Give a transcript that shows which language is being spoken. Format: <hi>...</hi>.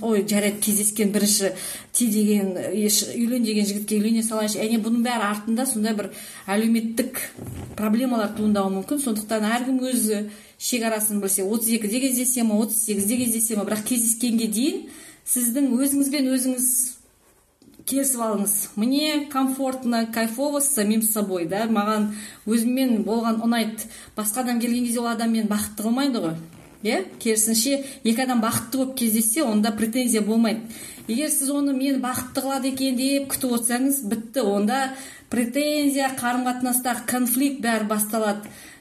<kk>Ой, жарайды, кездескен бірінші ти деген үйлен деген жігітке үйлене салайыншы, әне бұның бәрі артында сондай бір әлеуметтік проблемалар туындауы мүмкін. Сондықтан әркім өзі шекарасын білсе, 32-де кездесе ме, 38-де кездесе ме, бірақ кездескенге дейін сіздің өзіңізбен өзіңіз келісіп алыңыз.</kk> <ru>Мне комфортно, кайфово с самим собой, да?</ru> <kk>Маған өзіммен болған ұнайды. Басқа адам келген кезде ол адаммен бақытты қылмайды ғой. Иә? Керісінше, екі адам бақытты болып кездессе, онда претензия болмайды. Егер сіз оны мен бақытты қылады екен деп күтіп отырсаңыз, бітті. Онда претензия, қарым-қатынаста конфликт бәрі басталады.</kk>